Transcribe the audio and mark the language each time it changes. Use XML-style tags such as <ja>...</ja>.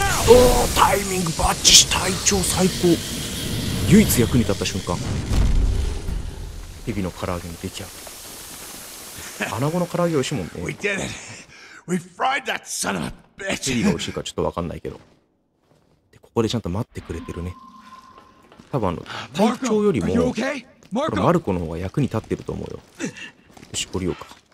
<ja>おー、タイミングバッチし、隊長最高。唯一役に立った瞬間。ヘビの唐揚げに出来合う。アナゴの唐揚げ美味しいもんね。</ja> <en>We did it! We fried that son of a bitch!</en> <ja>ヘビが美味しいかちょっと分かんないけど。で、ここでちゃんと待ってくれてるね。多分隊長よりも、これマルコの方が役に立ってると思うよ。よし、降りようか。</ja>